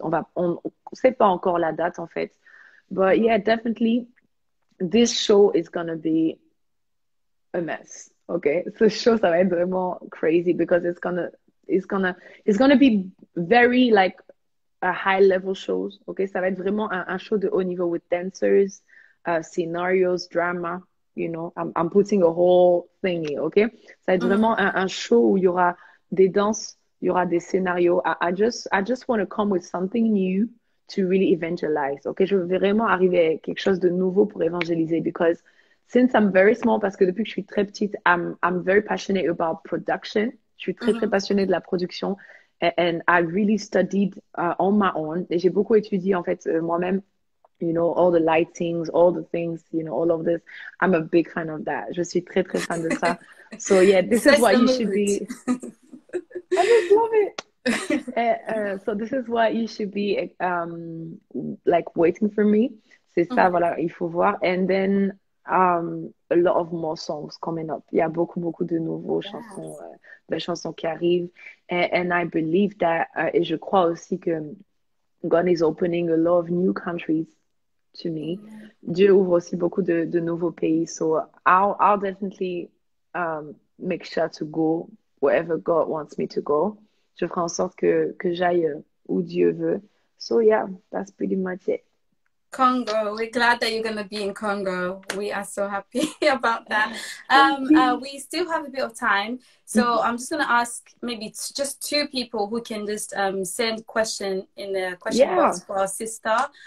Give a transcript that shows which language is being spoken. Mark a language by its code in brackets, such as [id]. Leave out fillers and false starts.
[fr] On sait pas encore la date, en fait. [en] But yeah, definitely, this show is going to be a mess, okay? [fr] Ce show, ça va être vraiment [en] crazy because it's gonna be very, like, a high-level shows, okay? [fr] Ça va être vraiment un show de haut niveau [en] with dancers, scenarios, drama, you know, I'm putting a whole thing here, okay? [fr] Ça va être vraiment un show où il y aura des danses, il y aura des scénarios. [en] I just want to come with something new to really evangelize, okay? [fr] Je veux vraiment arriver à quelque chose de nouveau pour évangéliser [en] because since I'm very small, [fr] parce que depuis que je suis très petite, [en] I'm very passionate about production. [fr] Je suis très, très passionnée de la production. [en] And I really studied on my own. [fr] Et j'ai beaucoup étudié, en fait, moi-même. [en] You know, all the lightings, all the things, you know, all of this. I'm a big fan of that. [fr] Je suis très, très fan de ça. [en] So, yeah, this is what you should be. I just love it. So, this is what you should be, like, waiting for me. [fr] C'est ça, voilà, il faut voir. [en] And then, a lot of more songs coming up. [fr] Il y a beaucoup, beaucoup de nouveaux chansons, de chansons qui arrivent. [en] And I believe that, [fr] et je crois aussi que [en] God is opening a lot of new countries to me. [fr] Dieu ouvre aussi beaucoup de nouveaux pays. [en] So I'll definitely make sure to go wherever God wants me to go. [fr] Je ferai en sorte que j'aille où Dieu veut. [en] So yeah, that's pretty much it. Congo, we're glad that you're going to be in Congo. We are so happy about that. We still have a bit of time. So I'm just going to ask maybe just two people who can just send question in the question box for our sister.